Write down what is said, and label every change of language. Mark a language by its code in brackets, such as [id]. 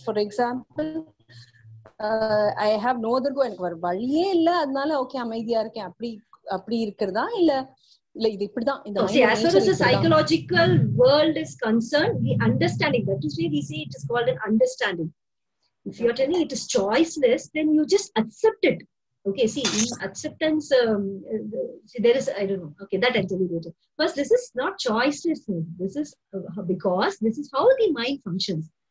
[en] For example, I have no other goal. [ta] எனக்கு ஒரு வழியே இல்ல அதனால ஓகே அமைதியா இருக்கேன் அப்படி அப்படி இருக்கிறதா இல்ல இல்ல இது இப்படிதான் இந்த மாதிரி [en] as far as the psychological world is concerned, the understanding, that is why we say it is called an understanding. If you are telling it is choiceless, then you just accept it. Okay, see, acceptance, see, there is, I don't know, okay, that I'll tell you later. First, this is not choiceless, this is because this is how the mind functions.